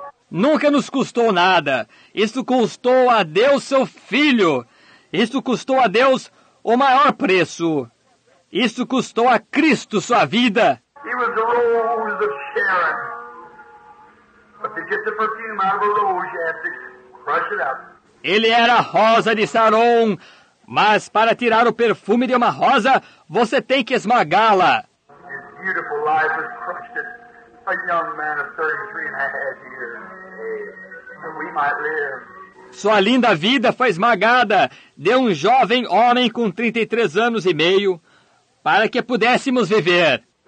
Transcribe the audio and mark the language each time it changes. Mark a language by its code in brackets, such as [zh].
[pt] Nunca nos custou nada. Isto custou a Deus seu filho. Isto custou a Deus o maior preço. Isso custou a Cristo sua vida. [en] He was a rose of Sharon. But to get the perfume out of a rose, you have to crush it up. [pt] Ele era a rosa de Sharon, mas para tirar o perfume de uma rosa, você tem que esmagá-la. [en] His beautiful life was crushed at a young man of 33 and a half years. And we might live. [pt] Sua linda vida foi esmagada de um jovem homem com 33 anos e meio. Para que pudéssemos viver.